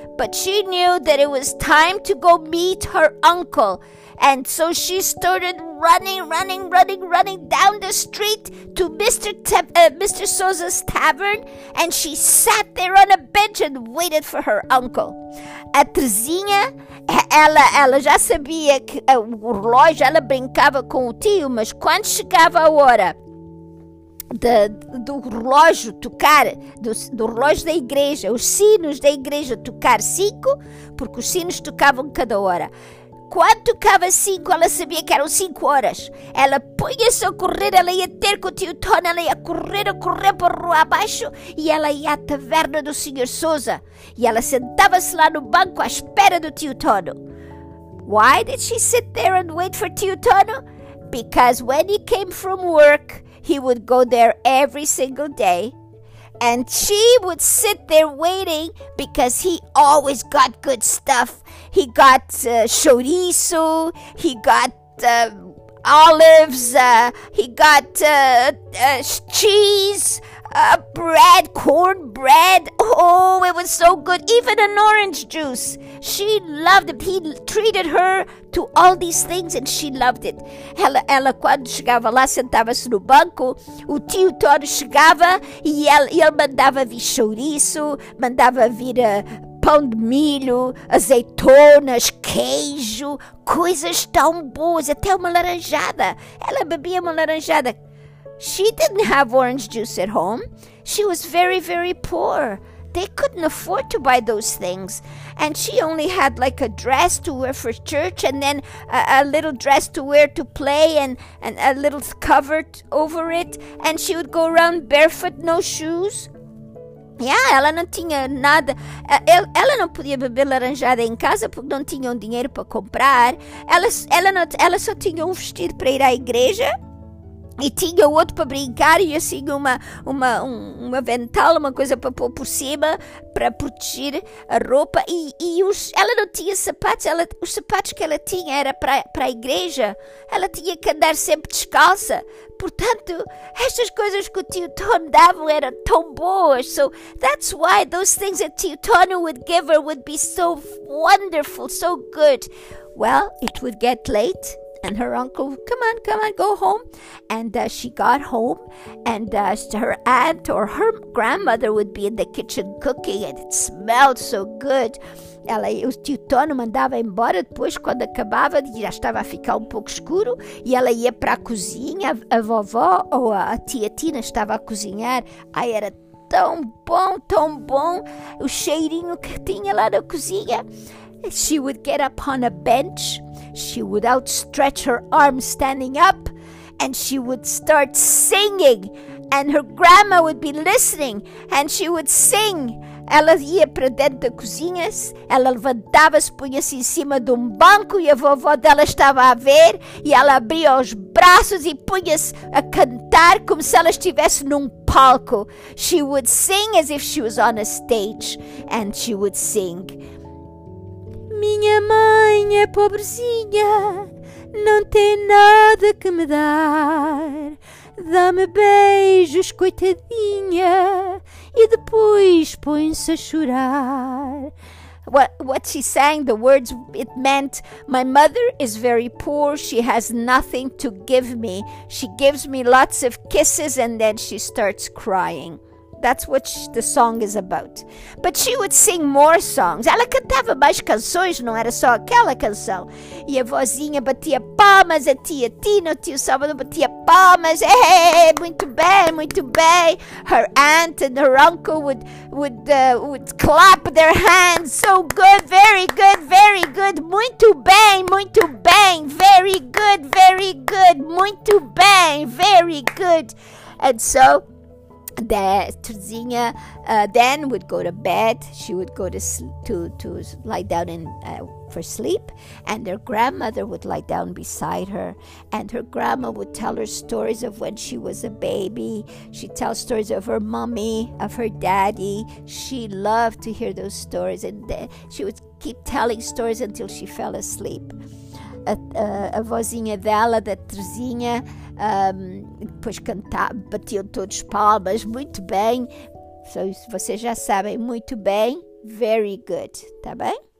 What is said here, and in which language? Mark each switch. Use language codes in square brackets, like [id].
[en] But she knew that it was time to go meet her uncle. And so she started running down the street to Mr. Souza's tavern. And she sat there on a bench and waited for her uncle. [pt] A Terezinha, ela já sabia que o relógio, ela brincava com o tio, mas quando chegava a hora do relógio tocar, do relógio da igreja, os sinos da igreja tocar 5, porque os sinos tocavam cada hora. Quando tocava 5, ela sabia que eram 5 horas. Ela punha-se a correr, ela ia ter com o tio Tony, ela ia correr para a rua abaixo e ela ia à taverna do Sr. Souza. E ela sentava-se lá no banco à espera do tio Tony. [en] Why did she sit there and wait for tio Tony? Because when he came from work, he would go there every single day. And she would sit there waiting because he always got good stuff. He got chorizo, he got olives, he got cheese, bread, corn bread. Oh, it was so good. Even an orange juice. She loved it. He treated her to all these things and she loved it. [pt] Ela quando chegava lá, sentava-se no banco, o tio Toro chegava e ele mandava vir chouriço, mandava vir pão de milho, azeitonas, queijo, coisas tão boas, até uma laranjada. Ela bebia uma laranjada. [en] She didn't have orange juice at home. She was very, very poor. They couldn't afford to buy those things. And she only had like a dress to wear for church and then a little dress to wear to play and a little cover over it. And she would go around barefoot, no shoes. [pt] Yeah, ela não tinha nada. Ela não podia beber laranjada em casa porque não tinham dinheiro para comprar. Ela só tinha um vestido para ir à igreja e tinha outro para brincar e assim um avental, uma coisa para pôr por cima para proteger a roupa. Ela não tinha sapatos. Os sapatos que ela tinha era para a igreja. Ela tinha que andar sempre descalça. Portanto, estas coisas que o tio Tony dava eram tão boas. [en] So, that's why those things that tio Tony would give her would be so wonderful, so good. Well, it would get late. And her uncle, come on, go home. And she got home. And her aunt or her grandmother would be in the kitchen cooking. And it smelled so good. [pt] Ela e o tio Tony mandava embora depois, quando acabava, já estava a ficar um pouco escuro, e ela ia para a cozinha, a vovó ou a tia Tina estava a cozinhar. Ai, era tão bom, o cheirinho que tinha lá na cozinha. [en] She would get up on a bench, she would outstretch her arm standing up, and she would start singing, and her grandma would be listening, and she would sing. [pt] Ela ia para dentro da cozinha, ela levantava-se, punha-se em cima de um banco e a vovó dela estava a ver, e ela abria os braços e punha-se a cantar como se ela estivesse num palco. [en] She would sing as if she was on a stage, and she would sing. [pt] Minha mãe é pobrezinha, não tem nada que me dar. Dá-me beijos, coitadinha, e depois põe-se a chorar. [en] What she sang, the words, it meant, my mother is very poor, she has nothing to give me. She gives me lots of kisses and then she starts crying. That's what the song is about. But she would sing more songs. [pt] Ela cantava mais canções, não era só aquela canção. E a vozinha batia palmas, a tia Tina, o tio Salvador batia palmas. Hey, muito bem. [en] Her aunt and her uncle would clap their hands. So good, very good. [pt] Muito bem. [en] Very good. [pt] Muito bem, [en] very good. And so the Tuzinha then would go to bed. She would go to lie down in for sleep, and their grandmother would lie down beside her, and her grandma would tell her stories of when she was a baby. She'd tell stories of her mommy, of her daddy. She loved to hear those stories, and she would keep telling stories until she fell asleep. [pt] A vozinha dela, da Terezinha, depois cantava, batiam todos palmas, muito bem. So, vocês já sabem, muito bem, [en] very good, [pt] tá bem?